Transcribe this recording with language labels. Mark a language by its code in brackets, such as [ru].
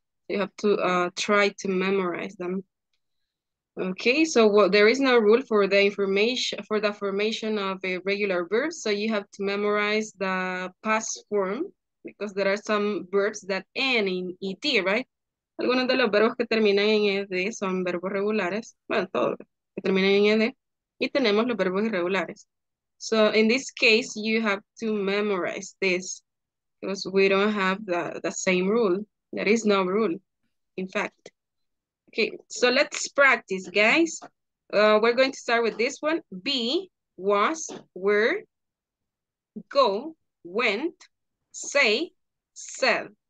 [en] You have to try to memorize them. Okay, so well, there is no rule for the information, for the formation of a regular verb. So you have to memorize the past form because there are some verbs that end in ET, right? [es] Algunos de los verbos que terminan en ED son verbos regulares. Bueno, todos que terminan en ED. Y tenemos los verbos irregulares. [en] So, in this case, you have to memorize this. Because we don't have the same rule. There is no rule, in fact. Okay, so let's practice, guys. We're going to start with this one. Be, was, were, go, went, say, said.